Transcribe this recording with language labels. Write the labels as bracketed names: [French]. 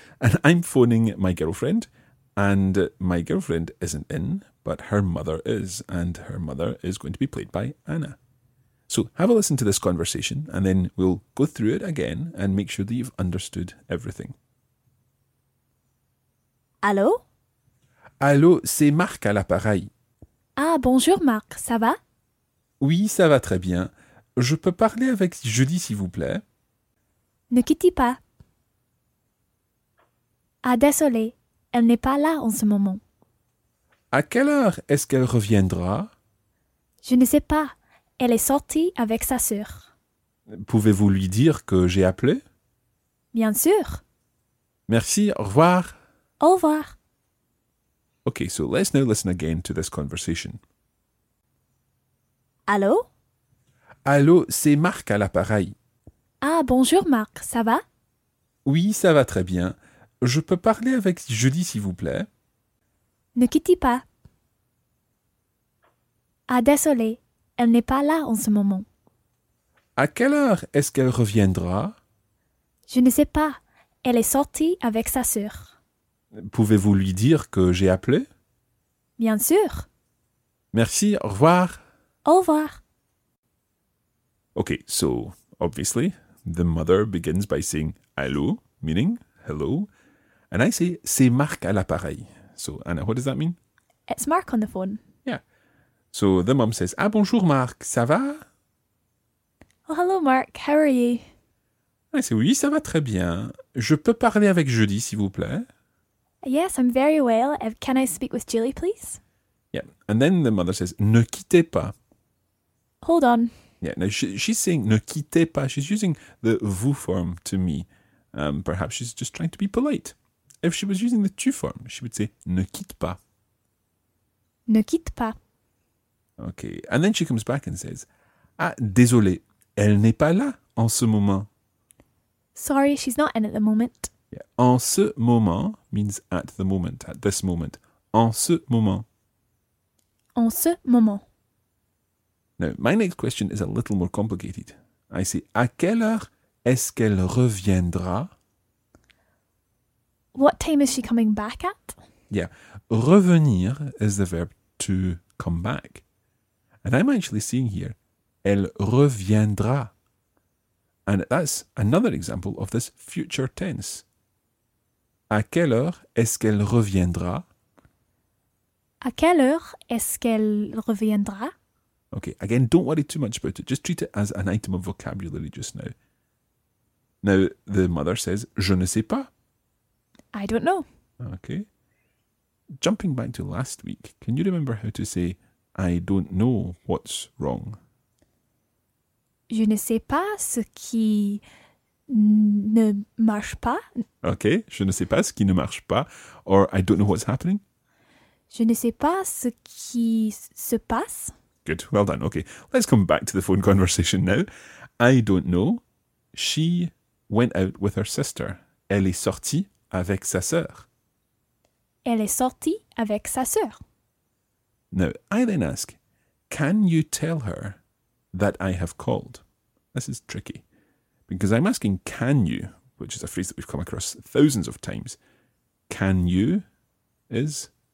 [English] And I'm phoning my girlfriend, and my girlfriend isn't in, but her mother is. And her mother is going to be played by Anna. So have a listen to this conversation, and then we'll go through it again and make sure that you've understood everything. [French] Allô? Allô, c'est Marc à l'appareil. Ah, bonjour Marc, ça va? Oui, ça va très bien. Je peux parler avec Julie, s'il vous plaît? Ne quittez pas. Ah, désolé, elle n'est pas là en ce moment. À quelle heure est-ce qu'elle reviendra? Je ne sais pas, elle est sortie avec sa sœur. Pouvez-vous lui dire que j'ai appelé? Bien sûr. Merci, au revoir. Au revoir. [English] Okay, so let's now listen again to this conversation. [French] Allô? Allô, c'est Marc à l'appareil. Ah, bonjour Marc, ça va? Oui, ça va très bien. Je peux parler avec Julie, s'il vous plaît? Ne quittez pas. Ah, désolé, elle n'est pas là en ce moment. À quelle heure est-ce qu'elle reviendra? Je ne sais pas. Elle est sortie avec sa sœur. Pouvez-vous lui dire que j'ai appelé? Bien sûr. Merci, au revoir. Au revoir. [English] Okay, so obviously, the mother begins by saying allô, meaning hello. [French] And [English] I say, [French] c'est Marc à l'appareil. [English] So, Anna, what does that mean? It's Marc on the phone. Yeah. So, the mom says, [French] ah, bonjour, Marc, ça va? [English] Oh, hello, Marc, how are you? I say, [French] oui, ça va très bien. Je peux parler avec Judy, s'il vous plaît? [English] Yes, I'm very well. Can I speak with Julie, please? Yeah. And then the mother says, [French] ne quittez pas. [English] Hold on. Yeah, now she's saying, [French] ne quittez pas. [English] She's using the vous form to me. Perhaps she's just trying to be polite. If she was using the tu form, she would say, [French] ne quitte pas. Ne quitte pas. [English] Okay, and then she comes back and says, [French] ah, désolé, elle n'est pas là en ce moment. [English] Sorry, she's not in at the moment. Yeah. [French] En ce moment [English] means at the moment, at this moment. [French] En ce moment. En ce moment. [English] Now, my next question is a little more complicated. I say, [French] à quelle heure est-ce qu'elle reviendra? [English] What time is she coming back at? Yeah, revenir is the verb to come back. And I'm actually seeing here, [French] elle reviendra. [English] And that's another example of this future tense. [French] À quelle heure est-ce qu'elle reviendra? À quelle heure est-ce qu'elle reviendra? [English] Okay, again, don't worry too much about it. Just treat it as an item of vocabulary just now. Now, the mother says, [French] je ne sais pas. [English] I don't know. Okay. Jumping back to last week, can you remember how to say, I don't know what's wrong? [French] Je ne sais pas ce qui ne marche pas. Okay, je ne sais pas ce qui ne marche pas. [English] Or, I don't know what's happening. [French] Je ne sais pas ce qui se passe. [English] Good, well done. Okay, let's come back to the phone conversation now. I don't know. She went out with her sister. [French] Elle est sortie avec sa sœur. Elle est sortie avec sa sœur. [English] Now, I then ask, can you tell her that I have called? This is tricky, because I'm asking, can you, which is a phrase that we've come across thousands of times. Can you is?